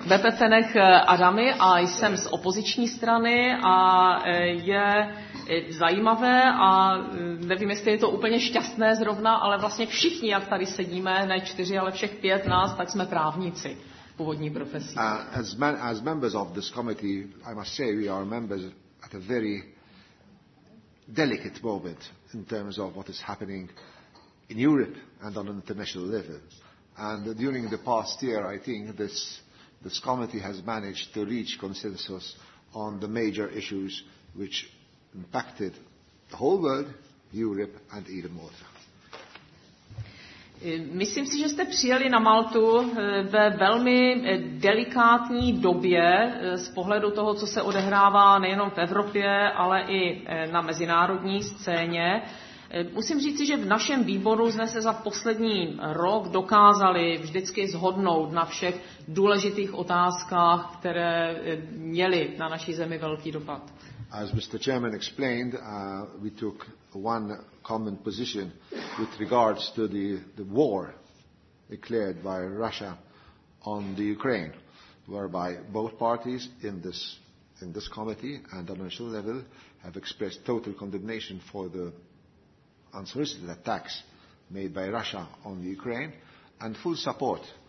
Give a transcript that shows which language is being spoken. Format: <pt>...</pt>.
<cs>Beppe Fenech Adamu a jsem z opoziční strany a je zajímavé a nevím, jestli je to úplně šťastné zrovna, ale vlastně všichni, jak tady sedíme, ne čtyři, ale všech pět nás, tak jsme právníci původní profesí.</cs> <en>As members of this committee, I must say we are members at a very delicate moment in terms of what is happening in Europe and on an international level. And during the past year, I think this committee has managed to reach consensus on the major issues which impacted the whole world, Europe and even more.</en> <cs>Myslím si, že jste přijeli na Maltu ve velmi delikátní době z pohledu toho, co se odehrává nejenom v Evropě, ale i na mezinárodní scéně. Musím říci, že v našem výboru jsme se za poslední rok dokázali vždycky zhodnout na všech důležitých otázkách, které měly na naší zemi velký dopad.</cs> <en>As Mr. Chairman explained, we took one common position with regards to the war declared by Russia on the Ukraine, whereby both parties in this committee and on a national level have expressed total condemnation for the unsolicited attacks made by Russia on the Ukraine and full support</en>